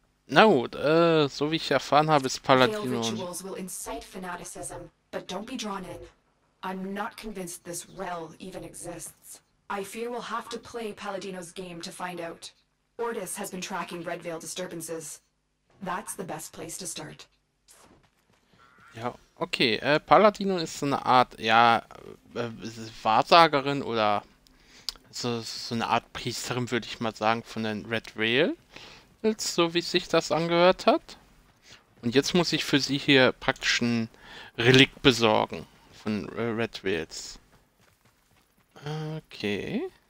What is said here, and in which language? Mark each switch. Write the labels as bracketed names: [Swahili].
[German] Na gut, so wie ich erfahren habe, ist Paladino. [English] Rituals will incite fanaticism, but don't be drawn in. I'm not convinced this Rel even exists. I fear we'll have to play Paladino's game to find out. Ordis has been tracking Red Veil disturbances. That's the best place to start. [German] Ja. Okay, Paladino ist so eine Art, ja, Wahrsagerin oder so eine Art Priesterin, würde ich mal sagen, von den Red Veil, so wie sich das angehört hat. Und jetzt muss ich für sie hier praktisch ein Relikt besorgen von Red Veils. Okay.